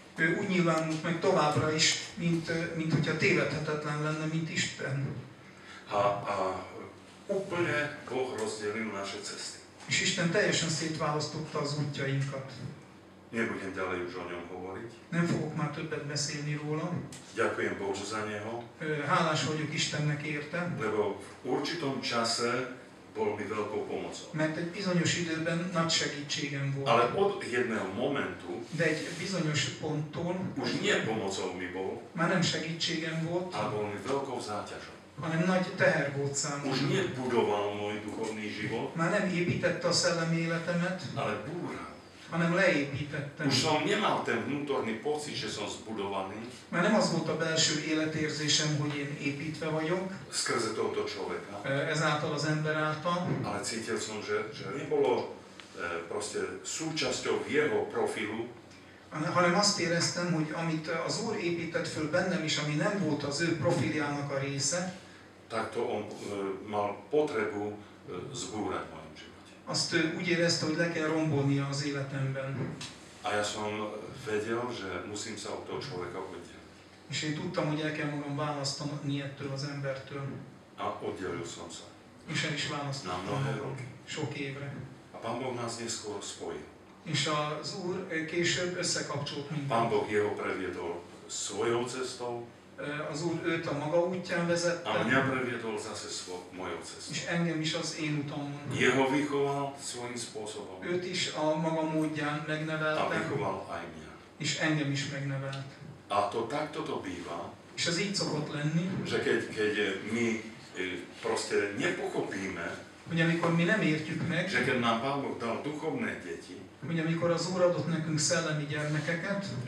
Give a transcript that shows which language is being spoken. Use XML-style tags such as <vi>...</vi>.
<hu>Ő úgy nyilvánult meg továbbra is, mint hogyha tévedhetetlen lenne, mint Isten.</hu> <sk>A úplne Boh rozdelil naše cesty.</sk> <hu>És Isten teljesen szétválasztotta az útjainkat.</hu> <sk>Nebudem ďalej už o ňom hovoriť.</sk> <hu>Nem fogok már többet beszélni róla.</hu> <sk>Ďakujem Bohu za neho.</sk> <hu>Hálás vagyok Istennek érte.</hu> <sk>Lebo v určitom čase bol mi veľkou pomocou.</sk> <hu>Mert egy bizonyos időben nagy segítségem volt.</hu> <sk>Ale od jedného momentu,</sk> <hu>de egy bizonyos ponttól,</hu> <sk>už nie pomocou mi bol,</sk> <hu>már nem segítségem volt,</hu> <sk>ale bol mi veľkou záťažou.</sk> <hu>hanem nagy teher volt számomra.</hu> <sk>Už nie budoval môj duchovný život.</sk> <hu>Már nem építette a szellemi életemet.</hu> <sk>Ale búra.</sk> <hu>Hanem leépítettem.</hu> <sk>Už som nemal ten vnútorný pocit, že som zbudovaný.</sk> <hu>Már nem az volt a belső életérzésem, hogy én építve vagyok.</hu> <sk>Skrze tohoto človeka.</sk> <hu>Ezáltal az ember által.</hu> <sk>Ale cítil som, že nebolo proste súčasťou jeho profilu.</sk> <hu>Hanem azt éreztem, hogy amit az Úr épített föl bennem is, ami nem volt az ő profiljának a része,</hu> <sk>tak to on mal potrebu zbúrať v mojom živote.</sk> <hu>Azt úgy érezte, hogy le kell rombolnia az életemben.</hu> <sk>A ja som vedel, že musím sa od toho človeka oddeliť.</sk> <hu>És én tudtam, hogy el kell magam választani ettől az embertől.</hu> <sk>A oddelil som sa.</sk> <hu>És el is választottam.</hu> <sk>Na mnohé roky.</sk> <hu>Sok évre.</hu> <sk>A Pán Boh nás neskôr spojil.</sk> <hu>És az Úr később összekapcsolt minket.</hu> <sk>Pán Boh jeho previedol svojou cestou.</sk> <hu>Az Úr őt a maga útján vezette.</hu> <sk>A mňa previedol zase mojou cestou.</sk> <hu>És engem is az én utam.</hu> <sk>Jeho vychoval svojím spôsobom.</sk> <hu>Őt is a maga módján megnevelte.</hu> <sk>A vychoval aj mňa.</sk> <hu>És engem is megnevelt.</hu> <sk>A to takto to býva.</sk> <hu>És ez így szokott lenni.</hu> <sk>Že keď my proste nepochopíme,</sk> <hu>hogy amikor mi nem értjük meg,</hu> <sk>že keď nám Pán Boh dal duchovné deti,</sk> <hu>hogy amikor az Úr adott nekünk szellemi gyermekeket,</hu>